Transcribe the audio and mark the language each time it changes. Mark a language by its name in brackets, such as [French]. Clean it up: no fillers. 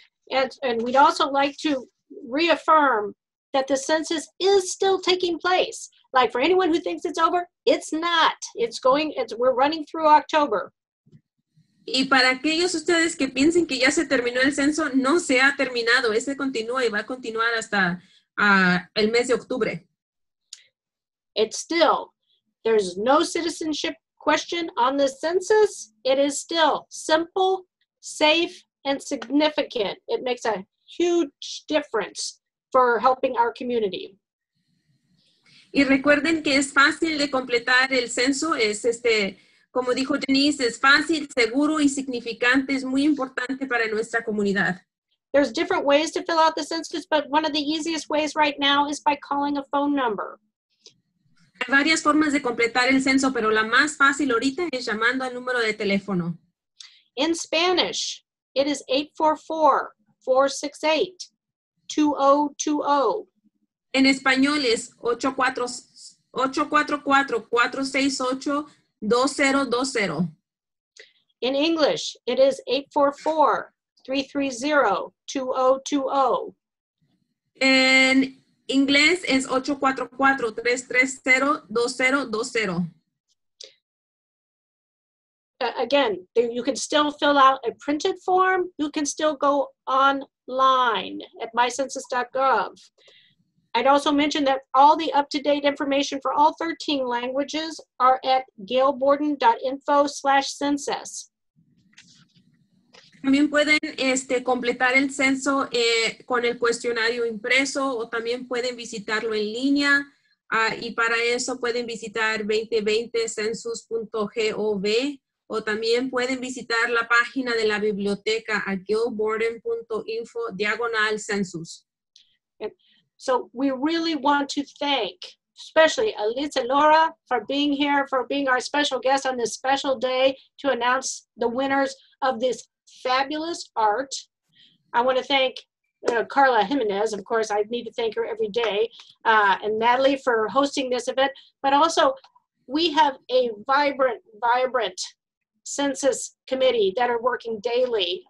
[English] And we'd also like to reaffirm that the census is still taking place. Like for anyone who thinks it's over, it's not. We're running through October. [Spanish] Y para aquellos ustedes que piensen que ya se terminó el censo, no se ha terminado. Ese continúa y va a continuar hasta el mes de octubre. [English] It's still, there's no citizenship question on the census. It is still simple, safe, and significant. It makes a huge difference for helping our community. [Spanish] Y recuerden que es fácil de completar el censo. Es como dijo Denise, es fácil, seguro, y significante. Es muy importante para nuestra comunidad. [English] There's different ways to fill out the census, but one of the easiest ways right now is by calling a phone number. [Spanish] Hay varias formas de completar el censo, pero la más fácil ahorita es llamando al número de teléfono. [English] In Spanish, it is 844-468-2020. [Spanish] En español es 844-468-2020. [English] In English, it is 844-330-2020. [Spanish] En inglés es 844-330-2020. [English] Again, you can still fill out a printed form. You can still go online at mycensus.gov. I'd also mention that all the up-to-date information for all 13 languages are at gailborden.info/census. [Spanish] También pueden completar el censo con el cuestionario impreso o también pueden visitarlo en línea y para eso pueden visitar 2020census.gov o también pueden visitar la página de la biblioteca a gailborden.info/census. [English] So we really want to thank especially Alice and Laura for being here, for being our special guest on this special day to announce the winners of this fabulous art. I want to thank Carla Jimenez, of course, I need to thank her every day, and Natalie for hosting this event, but also we have a vibrant census committee that are working daily.